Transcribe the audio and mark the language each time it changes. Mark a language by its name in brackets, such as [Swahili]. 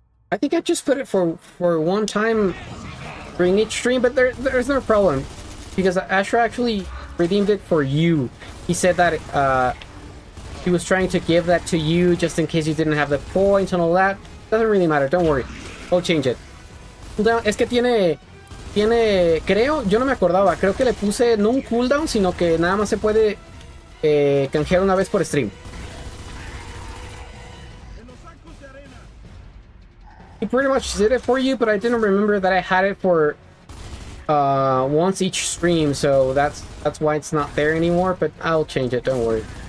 [English] I think I just put it for one time during each stream, but there's no problem. Because Asherah actually redeemed it for you. He said that he was trying to give that to you just in case you didn't have the points and all that. Doesn't really matter, don't worry. I'll change it. [Spanish] Cooldown, es que tiene, creo, yo no me acordaba, creo que le puse no un cooldown, sino que nada más se puede canjear una vez por stream. [English] He pretty much did it for you, but I didn't remember that I had it for once each stream, so that's why it's not there anymore, but I'll change it, don't worry.